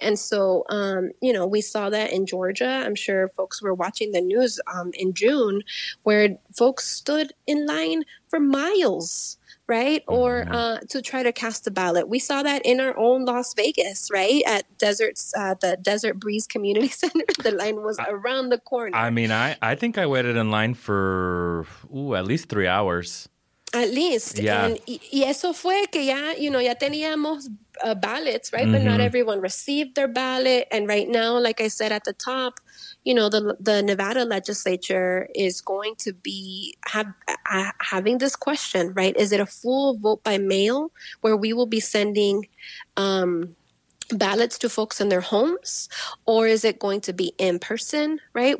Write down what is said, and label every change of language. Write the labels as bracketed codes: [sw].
[en] And so, you know, we saw that in Georgia. I'm sure folks were watching the news in June where folks stood in line for miles, right? Or to try to cast a ballot. We saw that in our own Las Vegas, right? At the Desert Breeze Community Center. The line was around the corner. I mean, I think I waited in line for at least 3 hours. At least. Yeah. [es] And y eso fue que ya, you know, ya teníamos ballots, right? [en] Mm-hmm. But not everyone received their ballot. And right now, like I said at the top, you know, the Nevada legislature is going to be having this question, right? Is it a full vote by mail where we will be sending ballots to folks in their homes, or is it going to be in person, right?